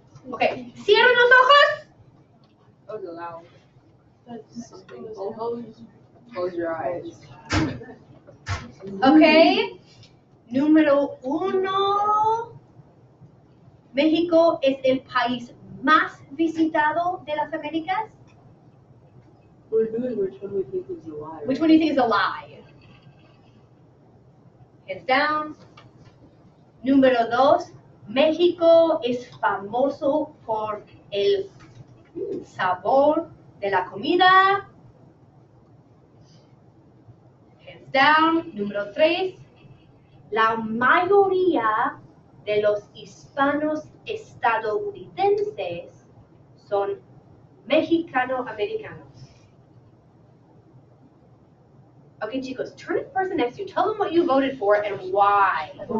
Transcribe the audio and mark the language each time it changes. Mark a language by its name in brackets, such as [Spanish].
[Spanish] Ok, cierren los ojos. [English] Close your eyes. [Spanish] Ok, número uno. México es el país más visitado de las Américas. [English] Which one do you think is a lie? Which one do you think is a lie? Hands down. [Spanish] Número dos, México es famoso por el sabor de la comida. [English] Hands down. [Spanish] Número tres, la mayoría de los hispanos estadounidenses son mexicano-americanos. [English] Okay, chicos, turn to the person next to you. Tell them what you voted for and why.